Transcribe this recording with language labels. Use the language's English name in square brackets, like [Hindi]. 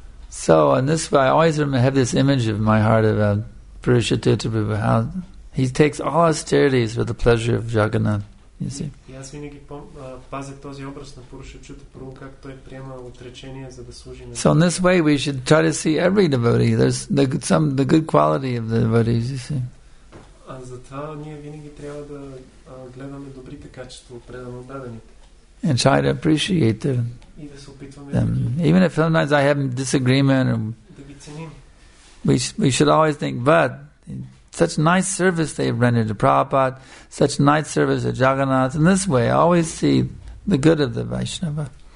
[English] So, and this way, I always have this image of my heart of Purusha Tuta Prabhu, how he takes all austerities for the pleasure of Jagannath, you see. [Bulgarian] И аз винаги пазя този образ на Пуруша Чута Прабху, как той приема отречение, за да служи на... [English] So in this way, we should try to see every devotee. There's the good quality of the devotees, you see. [Bulgarian] А затова ние винаги трябва да гледаме добрите качества, предано дадените. [English] And try to appreciate them. Even if sometimes I have a disagreement, we should always think, but such nice service they have rendered to Prabhupada, such nice service to Jagannath. In this way, I always see the good of the Vaishnava.